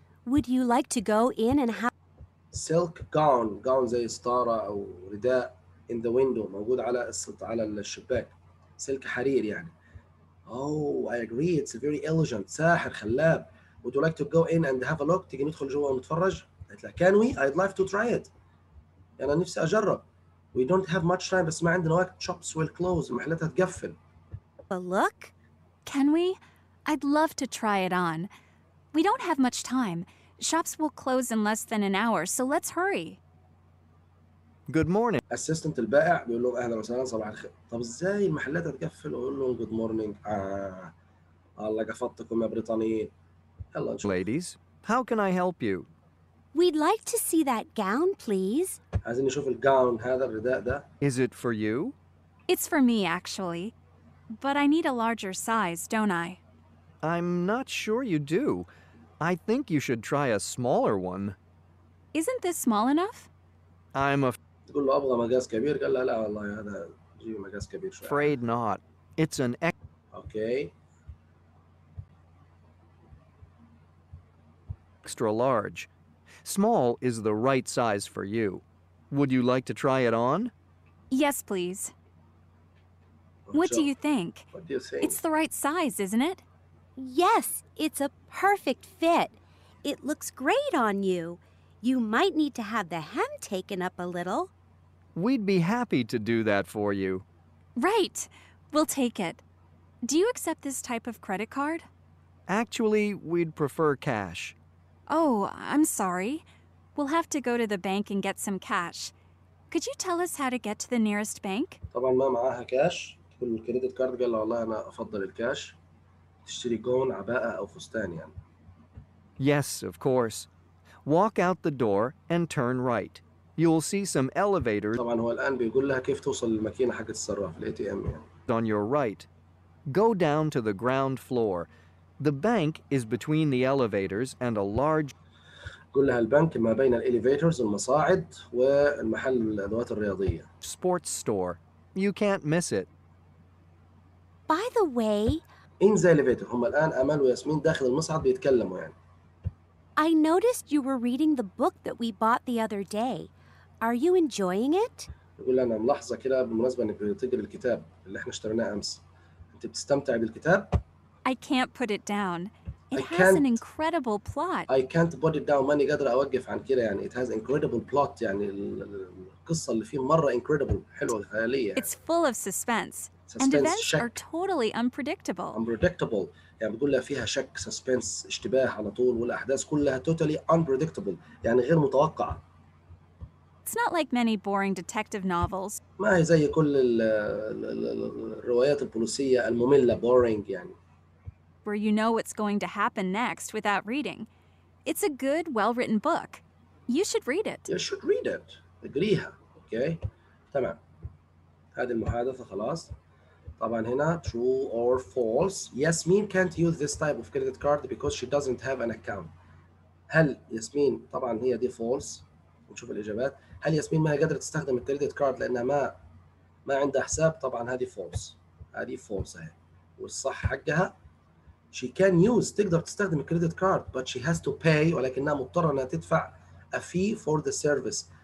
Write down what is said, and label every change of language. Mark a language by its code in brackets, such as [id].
[en] Would you like to go in and have silk gown, gown [ar] زي ستارة أو رداء، [en] in the window، [ar] موجود على الشباك، سلك حرير يعني. [en] Oh, I agree. It's very elegant. [ar] ساحر خلاب. [en] Would you like to go in and have a look? [ar] تيجي ندخل جوا ونتفرج؟ قلت لها [en] can we? I'd like to try it. [ar] أنا نفسي أجرب. [en] We don't have much time. [ar] بس ما عندنا وقت. [en] Shops will close. [ar] محلاتها تقفل. [en] But look, can we? I'd love to try it on. We don't have much time. Shops will close in less than an hour, so let's hurry. Good morning. [ar] Assistant البائع بيقول لهم اهلا وسهلا صباح الخير. طب ازاي المحلات هتقفل ويقول لهم [en] good morning؟ [ar] الله قفطتكم يا بريطانيين. يلا نشوف. [en] Ladies, how can I help you? We'd like to see that gown, please. عايزين نشوف الجاون هذا، الرداء ده. Is it for you? It's for me, actually. But I need a larger size, don't I? I'm not sure you do. I think you should try a smaller one. Isn't this small enough? I'm a [ar] تقول له ابغى مقاس كبير، قال لا والله هذا جيب مقاس كبير شويه. [en] Afraid not. It's an okay. Extra large. Small is the right size for you. Would you like to try it on? Yes, please. What do you think? What do you think? It's the right size, isn't it? Yes, it's a perfect fit. It looks great on you. You might need to have the hem taken up a little. We'd be happy to do that for you. Right. We'll take it. Do you accept this type of credit card? Actually, we'd prefer cash. Oh, I'm sorry. We'll have to go to the bank and get some cash. Could you tell us how to get to the nearest bank? [ar] طبعا ما معاها كاش. كل الكريدت كارد، قال له والله انا افضل الكاش. تشتري جون، عباءه او فستان يعني. [en] Yes, of course. Walk out the door and turn right. You'll see some elevators. [ar] طبعا هو الان بيقول لها كيف توصل للماكينه حق الصراف، الاي تي ام يعني. [en] On your right. Go down to the ground floor. The bank is between the elevators and a large. [ar] قول لها البنك ما بين الاليفيتورز المصاعد والمحل الادوات الرياضيه. [en] Sports store. You can't miss it. By the way, in the elevator. [ar] هم الآن أمل وياسمين داخل المصعد بيتكلموا يعني. [en] I noticed you were reading the book that we bought the other day. Are you enjoying it? [ar] يقول أنا ملاحظة كده بالمناسبة إنك بتقرأ الكتاب اللي إحنا اشتريناه أمس. أنت بتستمتع بالكتاب؟ [en] I can't put it down. It has an incredible plot. I can't put it down. [ar] ماني قادر أوقف عن كده يعني. [en] It has incredible plot. [ar] يعني القصة اللي فيه مرة [en] incredible، [ar] حلوة خيالية. يعني. [en] It's full of suspense. And events [ar] شك. [en] Are totally unpredictable. Unpredictable. [ar] يعني بقول لها فيها شك، [en] suspense، [ar] اشتباه على طول، والأحداث كلها [en] totally unpredictable. [ar] يعني غير متوقعة. [en] It's not like many boring detective novels. [ar] ما هي زي كل الروايات البوليسية المملة boring يعني. [en] Where you know what's going to happen next without reading. It's a good, well-written book. You should read it. You should read it. [ar] أقريها. [en] Okay. [ar] تمام. هذه المحادثة خلاص. طبعا هنا [en] true or false. Yasmin can't use this type of credit card because she doesn't have an account. [ar] هل ياسمين طبعا هي دي false. نشوف الإجابات. هل ياسمين ما قادرة تستخدم الكريدت كارد لأنها ما عندها حساب؟ طبعا هذه false. هذه false هي. والصح حقها [en] she can use [ar] تقدر تستخدم الكريدت كارد [en] but she has to pay [ar] ولكنها مضطرة أنها تدفع [en] a fee for the service.